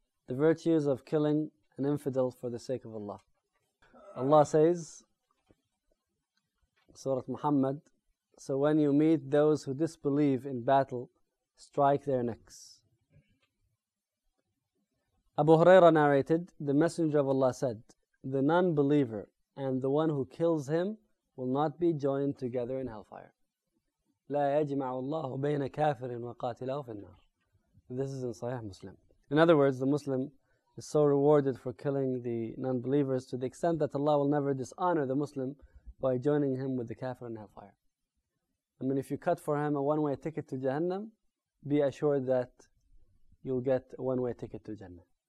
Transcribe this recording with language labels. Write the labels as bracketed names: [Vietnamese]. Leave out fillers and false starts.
[English] The virtues of killing an infidel for the sake of Allah. Allah says, Surah Muhammad, so when you meet those who disbelieve in battle, strike their necks. Abu Huraira narrated, the Messenger of Allah said, the non-believer and the one who kills him will not be joined together in hellfire. [Arabic] لا يجمع الله بين كافر وقاتله في النار. [English] This is in Sahih Muslim. In other words, the Muslim is so rewarded for killing the non-believers to the extent that Allah will never dishonor the Muslim by joining him with the kafir in hellfire. I mean, if you cut for him a one-way ticket to Jahannam, be assured that you'll get a one-way ticket to Jannah.